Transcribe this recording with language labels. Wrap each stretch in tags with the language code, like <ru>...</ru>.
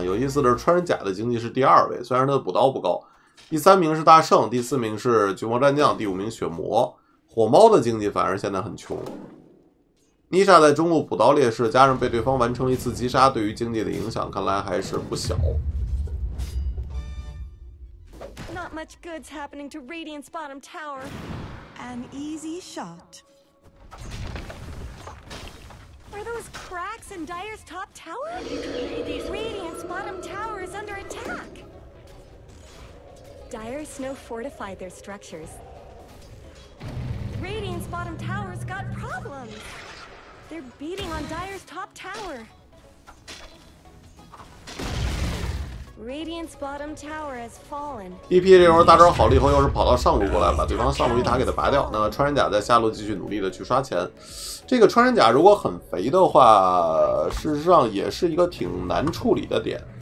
<zh>有意思的是穿山甲的经济是第二位，虽然他的补刀不高。第三名是大圣，第四名是巨魔战将，第五名血魔。火猫的经济反而现在很穷，妮莎在中路补刀劣势，加上被对方完成了一次击杀，对于经济的影响看来还是不小。</zh> <en>Not much good's happening to Radiant's bottom tower. An easy shot. Are those cracks in Dire's top tower? Radiant's bottom tower is under attack. Dire Snow fortified their structures. Radiant's bottom tower's got problems. They're beating on Dire's top tower. Radiant's bottom tower has fallen.</en> <zh>DP 这时候大招好了以后，又是跑到上路过来，把对方上路一塔给他拔掉。那穿山甲在下路继续努力的去刷钱。这个穿山甲如果很肥的话，事实上也是一个挺难处理的点。</zh>